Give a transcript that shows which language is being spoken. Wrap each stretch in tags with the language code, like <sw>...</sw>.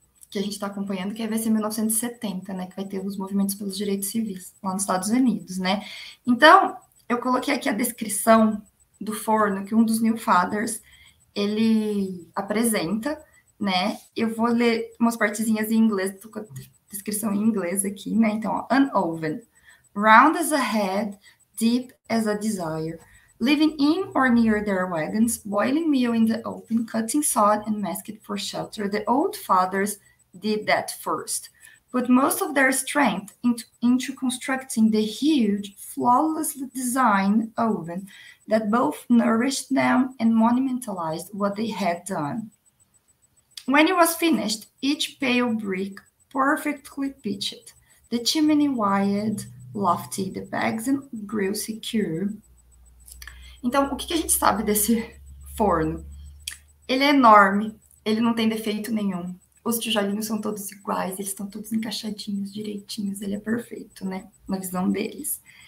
<pt>Que a gente está acompanhando, que vai ser 1970, né? Que vai ter os movimentos pelos direitos civis lá nos Estados Unidos, né? Então, eu coloquei aqui a descrição do forno que um dos New Fathers, ele apresenta, né? Eu vou ler umas partezinhas em inglês, tô com a descrição em inglês aqui, né? Então, ó,</pt> <en>an oven, round as a head, deep as a desire, living in or near their wagons, boiling meal in the open, cutting sod and masked for shelter, the old fathers did that first, put most of their strength into constructing the huge, flawlessly designed oven that both nourished them and monumentalized what they had done. When it was finished, each pale brick perfectly pitched, the chimney wired, lofty, the bags and grill secure.</en> <pt>Então, o que a gente sabe desse forno? Ele é enorme, ele não tem defeito nenhum. Os tijolinhos são todos iguais, eles estão todos encaixadinhos, direitinhos, ele é perfeito, né? Na visão deles.</pt>